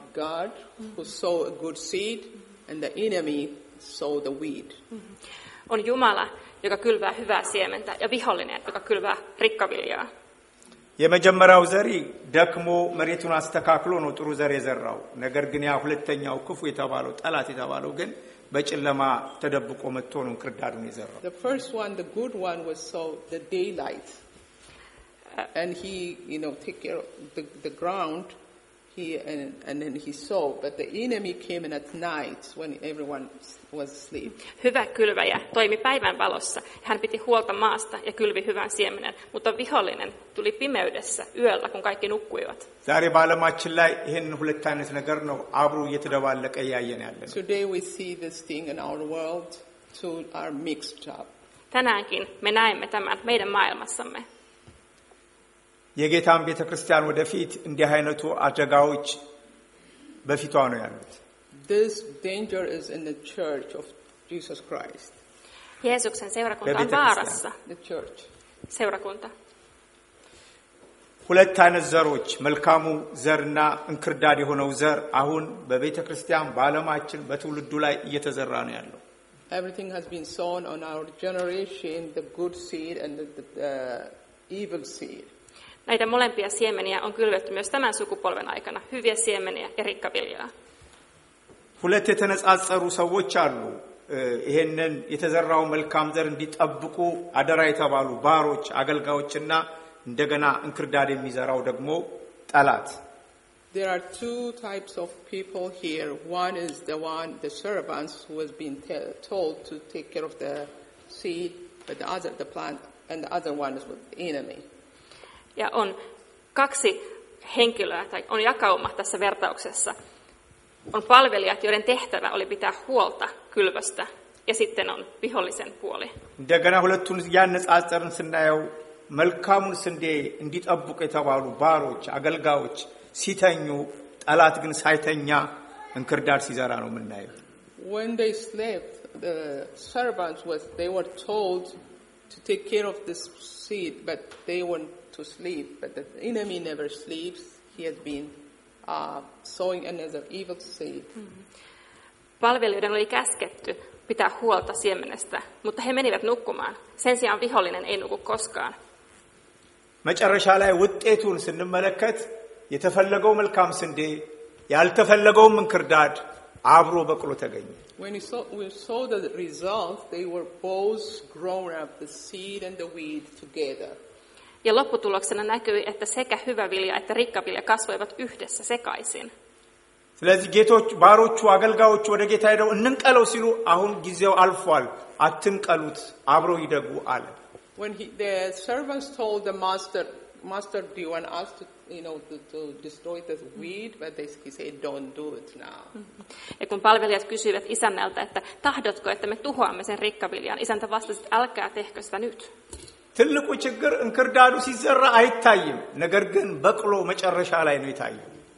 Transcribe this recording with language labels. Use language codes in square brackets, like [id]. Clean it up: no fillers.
[en] God who sowed a good seed and the enemy sowed the weed. [fi] on Jumala, joka kylvää hyvää siementä, ja vihollinen, joka kylvää rikkaviljaa. [am] የመጀመሪያው ዘሪ ደክሞ መሬቱን አስተካክሎ ነው ጥሩ ዘር የዘራው ነገር ግን ያ ሁለተኛው ክፉ የተባለው ጣላት የተባለው ግን በጭለማ ተደብቆ መጥቶ ነው ክርዳዱን የዘራው [en] The first one the good one was sow the daylight and he you know take care of the ground and then he sow but the enemy came in at night when everyone was asleep [fi] Hyvä kylväjä toimi päivän valossa hän piti huolta maasta ja kylvi hyvän siemenen mutta vihollinen tuli pimeydessä yöllä kun kaikki nukkuivat [am] ዛሬ ባለማችን ላይ ይሄን ሁለት አይነት ነገር ነው አብሮ እየተደባለቀ ያያየን ያለ [en] Today we see this thing in our world two are mixed up [fi] Tänäänkin me näemme tämän meidän maailmassamme [am] የጌታን ቤተክርስቲያን ወደፊት እንዲህ አይነቱ አጀጋዎች በፊቷ ነው ያሉት [en] This danger is in the church of Jesus Christ. [fi] ኢየሱስን ሰውራኩንታ ባራሳ [en] the church. [fi] ሰውራኩንታ [am] ሁለት አይነት ዘሮች መልካሙ ዘርና እንክርዳድ የሆነው ዘር አሁን በቤተክርስቲያን ባለማችን በትውልዱ ላይ እየተዘራ ነው ያለው [en] Everything has been sown on our generation the good seed and the evil seed. [fi] Näitä molempia siemeniä on kylvetty myös tämän sukupolven aikana, hyviä siemeniä ja rikkaviljaa. [am] ሁለት የተነጻጸሩ ሰዎች አሉ። ይሄንን የተዘራው መልካም ዘር እንዲጠብቁ አደራ የተባሉ ባሮች አገልጋዮችና እንደገና እንክርዳድ የሚዘራው ደግሞ ጣላት። [en] There are two types of people here. One is the one the servants who has been told to take care of the seed, but the other the plant and the other one is with the enemy. [fi] Ja on kaksi henkilöä tai on jakauma tässä vertauksessa. On palvelijat, joiden tehtävä oli pitää huolta kylvöstä ja sitten on vihollisen puoli. [am] እንደገና ሁለቱን ያነጻጸርን ስናየው መልካሙን ስንዴ እንዲጠብቁ የተባሉ ባሮች አገልጋዮች ሲተኙ ጣላት ግን ሳይተኛ እንክርዳድ ሲዘራ ነው ምናየው። [en] When they slept the servants was they were told to take care of this seed but they weren't to sleep but the enemy never sleeps he has been sowing another evil seed [fi] palvelijoiden oli käsketty pitää huolta siemenestä mutta he menivät nukkumaan sen sijaan vihollinen ei nuku koskaan [am] መጨረሻ ላይ ውጤቱን ስንመለከት የተፈለገው መልካም ስንዴ ያልተፈለገው እንክርዳድ አብሮ በቅሎ ተገኘ [en] we saw the result they were both grown up the seed and the weed together [fi] Ja lopputuloksena näkyy, että sekä hyvä vilja että rikka vilja kasvoivat yhdessä sekaisin. [am] ስለዚህ ጌቶች ባሮቹ አገልጋዮቹ ወደ ጌታ ሄደው እንንቀለው ሲሉ አሁን ጊዜው አልፏል አትንቀሉት አብሮ ይደጉ አለ. [en] When the servants told the master do you want us to you know to destroy this weed but they said don't do it now. [fi] Ja kun palvelijat kysyivät isännältä että tahdotko että me tuhoamme sen rikkaviljan isäntä vastasi älkää tehkö sitä nyt. [am] ትልቁ ችግር እንክርዳዱ ሲዘራ አይታይም ነገር ግን በቅሎ መጨረሻ ላይ ነው ይታየው